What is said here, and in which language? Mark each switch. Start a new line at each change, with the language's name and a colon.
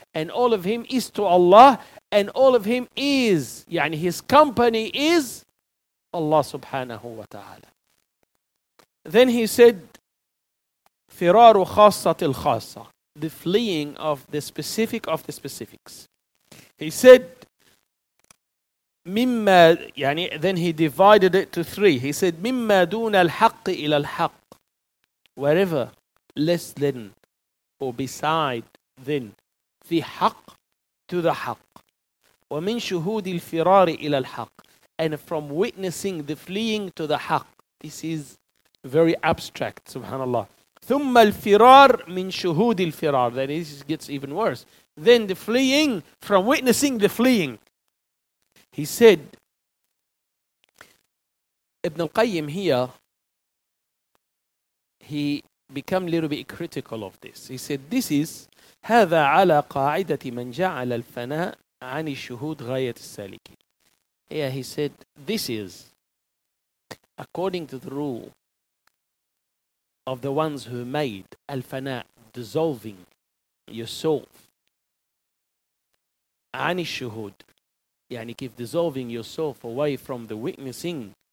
English: And all of him is to Allah, and all of him is, يعني his company is Allah subhanahu wa ta'ala.
Arabic: Then he said, فِرَارُ خَاصَّةِ الْخَاصَّةِ.
English: The fleeing of the specific of the specifics. He said, مِمَّا, يعني, then he divided it to three.
Arabic: He said, مِمَّا دُونَ الْحَقِّ إِلَى الْحَقِّ.
English: Wherever, less than, or beside, then, the haq to the haq.
Arabic: وَمِنْ شُهُودِ الْفِرَارِ إِلَى الْحَقِّ.
English: And from witnessing the fleeing to the haq. This is very abstract, subhanAllah.
Arabic: ثُمَّ الْفِرَارِ مِنْ شُهُودِ الْفِرَارِ. Then it gets even worse.
English: Then the fleeing, from witnessing the fleeing. He said, Ibn al-Qayyim here, he became a little bit critical of this.
Arabic: He said, this is, هَذَا عَلَى قَاعِدَةِ مَنْ جَعَلَ الْفَنَاءِ عَنِ الشُّهُودِ غَيَةِ السَّالِكِينَ.
English: Here he said, this is, according to the rule of the ones who made al-fana, dissolving yourself, عَنِ الشُّهُودِ, يعني keep dissolving yourself away from the witnessing.